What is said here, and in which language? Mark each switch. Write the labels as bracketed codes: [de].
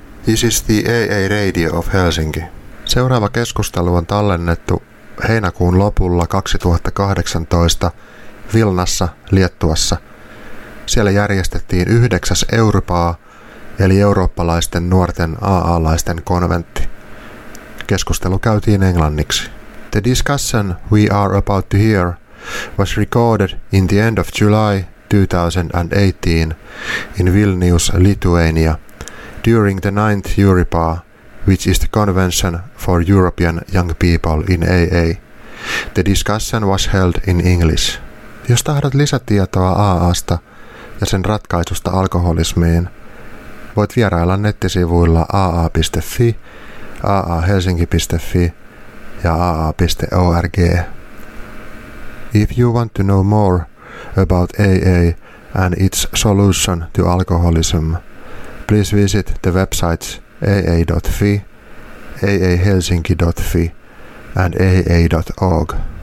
[en] This is the AA Radio of Helsinki. [fi] Seuraava keskustelu on tallennettu heinäkuun lopulla 2018 Vilnassa, Liettuassa. Siellä järjestettiin 9. Europaa, eli eurooppalaisten nuorten AA-laisten konventti. Keskustelu käytiin englanniksi. [en] The discussion we are about to hear was recorded in the end of July 2018 in Vilnius, Lithuania, during the 9th Europa, which is the convention for European young people in AA. The discussion was held in English. [fi] Jos tahdot lisätietoa AA:sta ja sen ratkaisusta alkoholismiin, voit vierailla nettisivuilla aa.fi, aahelsinki.fi ja aa.org. [en] If you want to know more about AA and its solution to alcoholism, please visit the websites aa.fi, aahelsinki.fi and aa.org.